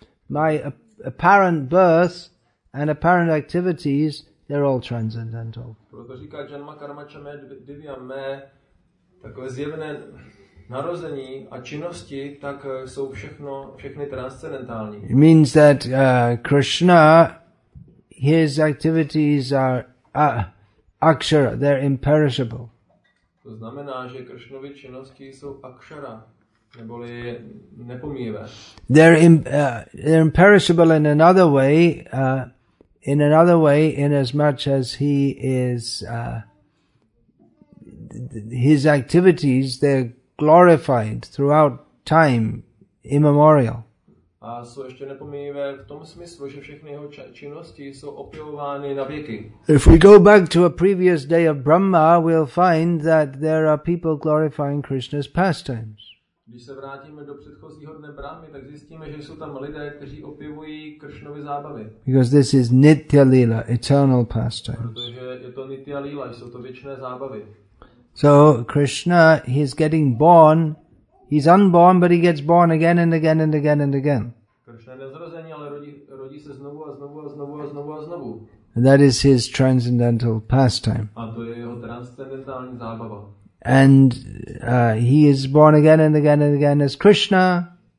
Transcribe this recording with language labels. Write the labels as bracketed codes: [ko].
[en] My apparent birth and apparent activities—they're all transcendental. [cs] Proto říká [sa] janma karma chame divyam. [cs] Mé takové zjevné narození a činnosti tak jsou všechny transcendentální. [en] It means that Krishna, his activities are akshara; they're imperishable. [cs] To znamená, že Krishnovy činnosti jsou akshara. Neboli nepomíjivé. [en] They're imperishable in another way. In another way, in as much as he is, his activities, they're glorified throughout time, immemorial. [cs] A jsou ještě nepomíjivé v tom smyslu, že všechny jeho činnosti jsou opěvovány na věky. [en] If we go back to a previous day of Brahma, we'll find that there are people glorifying Krishna's pastimes. [cs] Když se vrátíme do předchozího dne Brahmy, tak zjistíme, že jsou tam lidé, kteří opěvují Kršnovy zábavy. [en] Because this is nitya lila, eternal pastime. [cs] Protože je to nitya lila, jsou to věčné zábavy. [en] So Krishna, he's getting born. He's unborn, but he gets born again and again and again and again. [cs] Kršna je nezrozený, ale rodí se znovu a znovu a znovu a znovu a znovu. [en] And that is his transcendental pastime. [cs] A to je jeho transcendentální zábava. [en] And he is born again and again and again as Krishna.